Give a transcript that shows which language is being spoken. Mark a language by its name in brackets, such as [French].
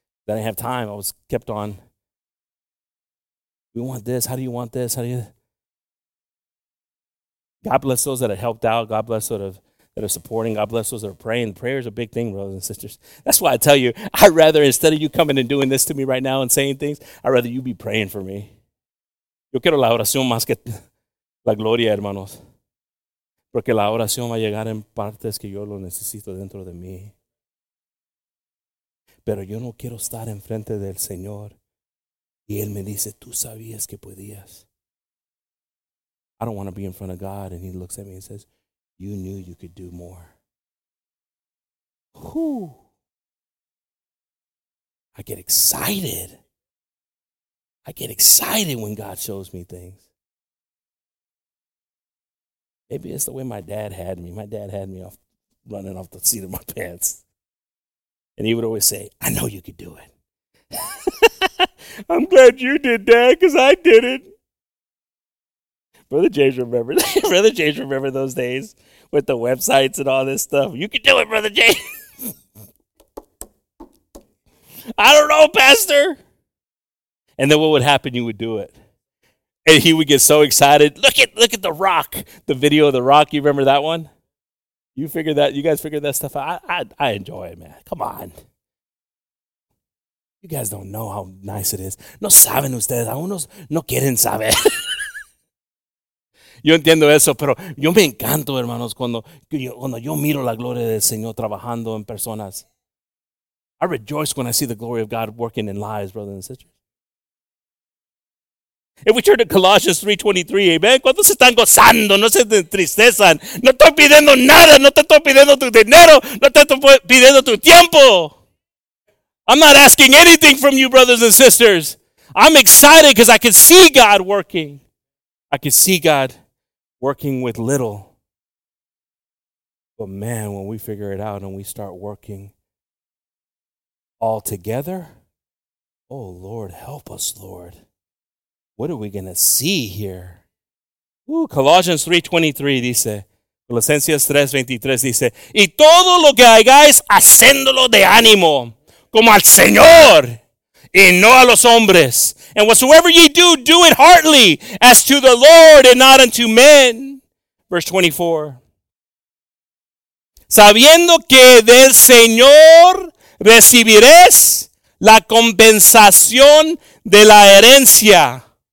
[English] I didn't have time. I was kept on. We want this. How do you want this? How do you? God bless those that have helped out. God bless those that are supporting. God bless those that are praying. Prayer is a big thing, brothers and sisters. That's why I tell you, I'd rather, instead of you coming and doing this to me right now and saying things, I'd rather you be praying for me. [Spanish] Yo quiero la oración más que la gloria, hermanos. Porque la oración va a llegar en partes que yo lo necesito dentro de mí. Pero yo no quiero estar enfrente del Señor. Y Él me dice, tú sabías que podías. [English] I don't want to be in front of God. And He looks at me and says, you knew you could do more. Whew. I get excited. I get excited when God shows me things. Maybe it's the way my dad had me. My dad had me off running off the seat of my pants. And he would always say, I know you could do it. I'm glad you did, Dad, because I did it. Brother James remembers. Brother James remembers those days with the websites and all this stuff. You could do it, Brother James. I don't know, Pastor. And then what would happen? You would do it. And he would get so excited. Look at The Rock. The video of The Rock. You remember that one? You guys figure that stuff out? I enjoy it, man. Come on. You guys don't know how nice it is. [Spanish] No saben ustedes. Aún no quieren saber. Yo entiendo eso, pero yo me encanto, hermanos, cuando yo miro la gloria del Señor trabajando en personas. [English] I rejoice when I see the glory of God working in lives, brothers and sisters. If we turn to Colossians 3:23, amen. [Spanish] ¿Cuántos se están gozando? No se entristezan. No estoy pidiendo nada. No te estoy pidiendo tu dinero. No te estoy pidiendo tu tiempo. [English] I'm not asking anything from you, brothers and sisters. I'm excited because I can see God working. I can see God working with little. But man, when we figure it out and we start working all together, oh Lord, help us, Lord. What are we going to see here? [Spanish] Ooh, Colossians 3:23 dice, Colosenses 3:23 dice, y todo lo que hagáis, haciéndolo de ánimo, como al Señor, y no a los hombres. [English] And whatsoever ye do, do it heartily, as to the Lord and not unto men. Verse 24. [Spanish] Sabiendo que del Señor recibiréis la compensación de la herencia.